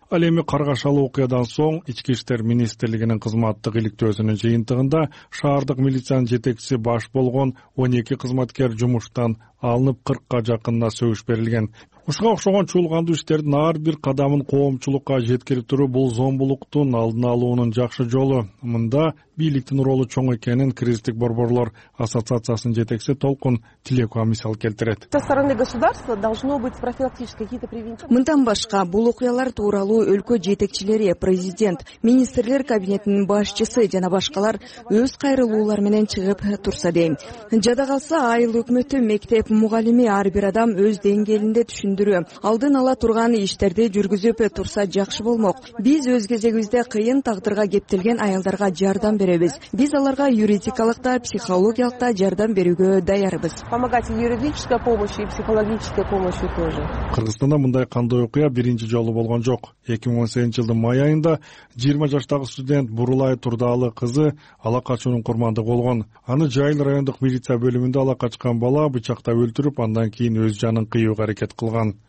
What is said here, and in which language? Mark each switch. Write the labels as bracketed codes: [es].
[ky] Ал эми каргашалуу окуядан соң ички иштер министрлигинин кызматтык иликтөөсүнүн жыйынтыгында шаардык милициянын жетекчиси баш болгон 12 кызматкер жумуштан алынып 40 жакынына сөгүш берилген. Ушуга окшогон чуулгандуу иштердин ар бир кадамын коомчулукка жеткирип туруу бул зомбулуктун алдын алуунун жакшы жолу. Мында бийликтин ролу чоң экенин кризистик борборлор ассоциациясынын жетекчиси Толкун Тилекова мисал келтирет. [ru] Со стороны государства должно быть профилактические какие-то превентивные. [ky] Мындан башка бул окуялар тууралуу өлкө жетекчилери, президент, министрлер кабинетинин башчысы жана башкалар өз кайрылуулары менен чыгып турса дейм. Жада калса айыл өкмөтү, мектеп мугалими ар бир адам өз деңгээлинде түшүндүрүү, алдын ала турган иштерди жүргүзүп турса жакшы болмок. Биз өз кезегибизде кыйын тагдырга кептелген аялдарга жардам беребиз. Биз аларга юридикалык да, психологиялык да жардам берүүгө даярбыз. [ru] Помогать юридической помощью и психологической помощью тоже. [ky] Кыргызстанда мындай кандай окуя биринчи жолу болгон жок. 2018 жылдын май айында 20 жаштагы студент Бурулай Турдаалы кызы ала качуунун курмандыгы болгон. Аны Жайыл райондук милиция бөлүмүндө ала качкан бала бычакта өлтүрүп, андан кийин өз жанын кыюуга аракет кылган.